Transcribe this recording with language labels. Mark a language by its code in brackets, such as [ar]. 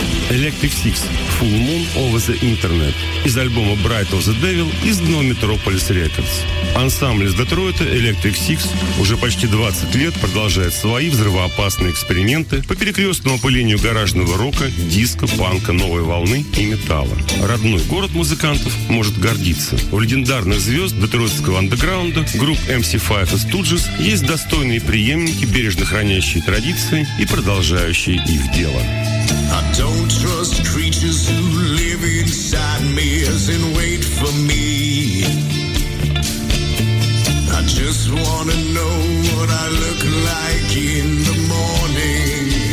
[ru] Electric Six – Full Moon Over the Internet из альбома Bright of the Devil из дно Metropolis Records. Ансамбль из Детройта Electric Six уже почти 20 лет продолжает свои взрывоопасные эксперименты по перекрестному опылению гаражного рока, диско, панка, новой волны и металла. Родной город музыкантов может гордиться. У легендарных звезд детройтского андеграунда групп MC5 и Stooges есть достойные преемники, бережно хранящие традиции и продолжающие их дело. [en] I don't trust creatures who live inside me as in wait for me. I just wanna know what I look like in the morning.